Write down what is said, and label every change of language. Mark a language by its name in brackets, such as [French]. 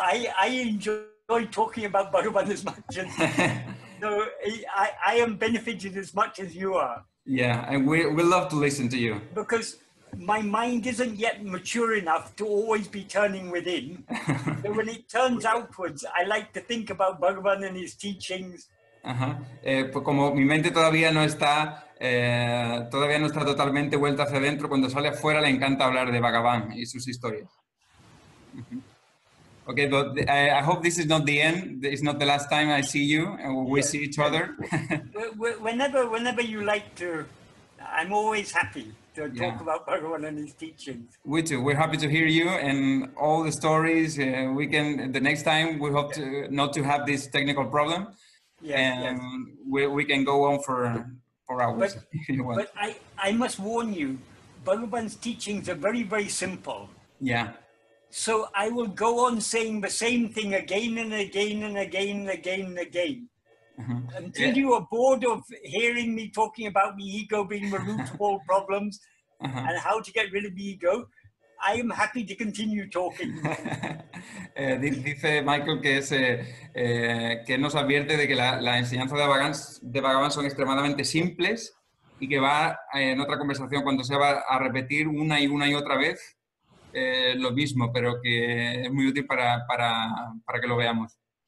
[English] I enjoy talking about Bhagavan as much as so I am benefited as much as you are. Yeah, and we love to listen to you. Because my mind isn't yet mature enough to always be turning within. So when it turns outwards, I like to think about Bhagavan and his teachings. [Spanish] Como mi mente todavía no está totalmente vuelta hacia adentro, cuando sale afuera le encanta hablar de Bhagavan y sus historias. [English] Okay, but I hope this is not the end. It's not the last time I see you and see each other. whenever you like to, I'm always happy to talk about Bhagavan and his teachings. We too. We're happy to hear you and all the stories. The next time we hope to not to have this technical problem. We can go on for hours. But, I must warn you, Bhagavan's teachings are very, very simple. Yeah. So I will go on saying the same thing again and again and again and again and again. Mm-hmm. Until you are bored of hearing me talking about the ego being the root of all problems and how to get rid of the ego, I am happy to continue talking. [Spanish] Dice Michael que que nos advierte de que la enseñanza de Bhagavan son extremadamente simples y que va en otra conversación cuando se va a repetir una y otra vez. Lo mismo, pero que es muy útil para que lo veamos.